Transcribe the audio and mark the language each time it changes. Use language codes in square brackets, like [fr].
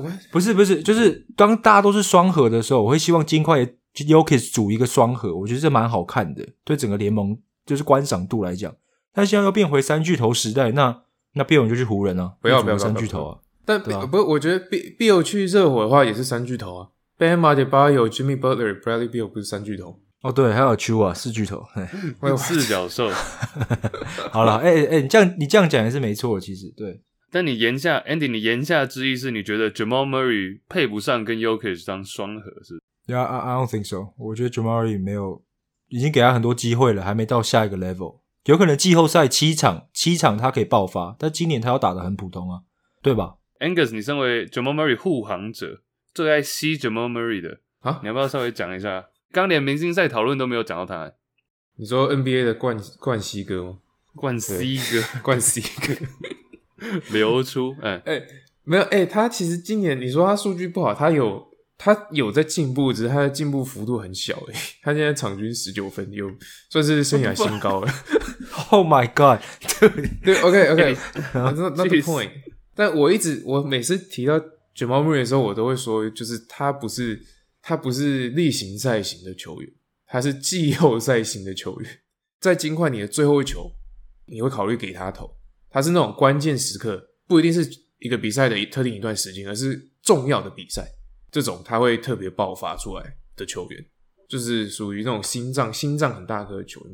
[zh] 不是，就是当大家都是双核的时候，我会希望金块 Jokic 组一个双核，我觉得这蛮好看的，对整个联盟就是观赏度来讲。但现在又变回三巨头时代，那 Bill 就去湖人啊，不要不要三巨头啊。但不，我觉得 Bill 去热火的话也是三巨头啊。 Bam Adebayo、Jimmy Butler、Bradley Beal 不是三巨头？哦，对，还有 Chua 四巨头，四角兽。好啦你这样讲也是没错，其实对。但你言下 Andy， 你言下之意是你觉得 Jamal Murray 配不上跟 Jokic 当双核是？ [en] Yeah， I don't think so。 [zh] 我觉得 Jamal Murray 没有，已经给他很多机会了，还没到下一个 level。有可能季后赛七场他可以爆发，但今年他要打得很普通啊，对吧？ Angus， 你身为 Jamal Murray 护航者，最爱吸 Jamal Murray 的、啊、你要不要稍微讲一下，刚连明星赛讨论都没有讲到他、欸、你说 NBA 的冠希哥吗？冠希哥，冠希哥流出，哎、欸、哎、欸，没有，哎、欸，他其实今年你说他数据不好，他有在进步，只是他的进步幅度很小、欸，哎，他现在场均19分，有算是生涯新高了。 [en] Oh my god！ [zh] 对 [en] ，OK OK， [zh] 那 [en] the point。 [zh] 但我每次提到 Jamal Murray 的时候，我都会说，就是他不是例行赛型的球员，他是季后赛型的球员，在金块你的最后一球，你会考虑给他投。他是那种关键时刻，不一定是一个比赛的特定一段时间，而是重要的比赛，这种他会特别爆发出来的球员，就是属于那种心脏很大颗的球员。